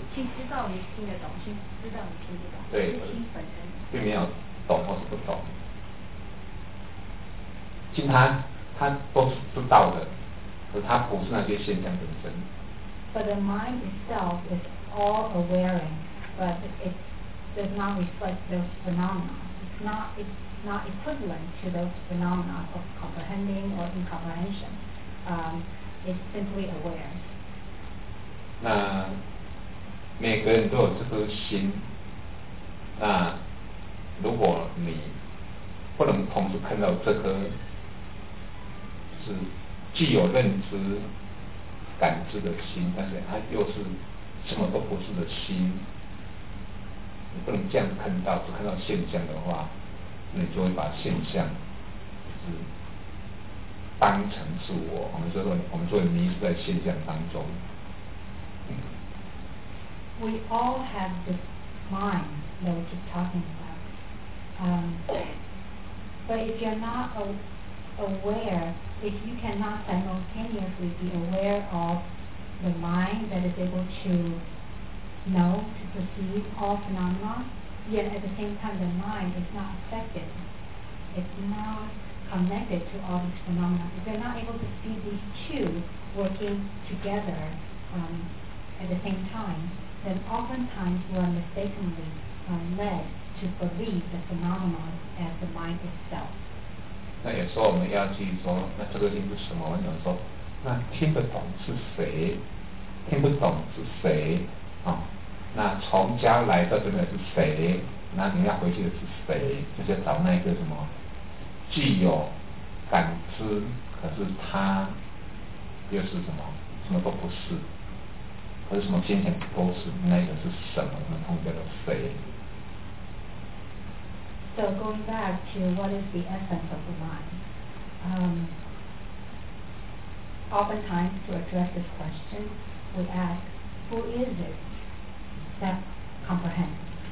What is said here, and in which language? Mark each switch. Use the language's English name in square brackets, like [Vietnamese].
[Chinese] 心知道你听得懂，心知道你听不懂。对，心本身并没有懂或是不懂。心它都是知道的，可它不是那些现象本身。 [English] But the mind itself is all awareing, but it does not reflect those phenomena. It's not equivalent to those phenomena of comprehending or incomprehension. It's simply aware. [Chinese] 那每个人都有这颗心，那如果你不能同时看到这颗是既有认知感知的心，但是它又是什么都不是的心，你不能这样看到，只看到现象的话，你就会把现象就是当成是我。我们说迷失在现象当中。 [English] We all have this mind that we keep talking about. But if you're not aware, if you cannot simultaneously be aware of the mind that is able to know, to perceive all phenomena, yet at the same time the mind is not affected, it's not connected to all these phenomena. If you're not able to see these two working together, at the same time,then oftentimes we are mistakenly led to believe the phenomenon as the mind itself. [Chinese] 那有时候我们要去说，那这个心是什么？我们说，那听得懂是谁？听不懂是谁？啊，那从家来到这边是谁？那你要回去的是谁？就是找那个什么既有感知，可是他又是什么什么都不是，可是什么金钱都是，那个是什么？那通叫做谁？ [English] So going back to what is the essence of the mind, oftentimes to address this question, we ask, who is it that comprehends?